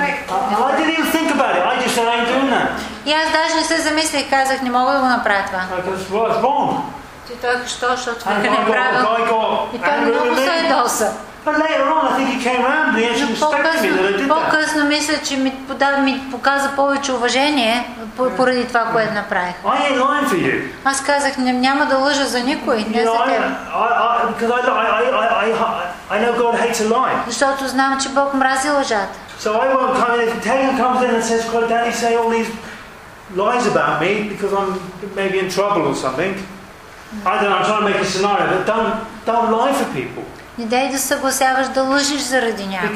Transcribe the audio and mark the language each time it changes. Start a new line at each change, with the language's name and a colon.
English: I didn't even think about it. I just said I ain't doing that.
Bulgarian: И аз даже не се замислих, казах, не мога да го направя това.
English: What's wrong?
Bulgarian: Ти той защо, защото това не правил. И той много се ядоса.
English: But later on, I think he came around and he actually respected me that I did that.
Bulgarian: По-късно мисля, че ми показа повече уважение поради това, което направих.
English: I ain't lying for you.
Bulgarian: Аз казах, няма да лъжа за никой.
English: I know God hates a lie.
Bulgarian: Защото знам, че Бог мрази лъжата.
English: So I won't come in if Italian comes in and says, "Could Daddy say all these lies about me because I'm maybe in trouble or something?" I don't know. I'm trying to make a scenario, but don't lie for people.
Bulgarian: Не дай да съгласяваш да лъжиш заради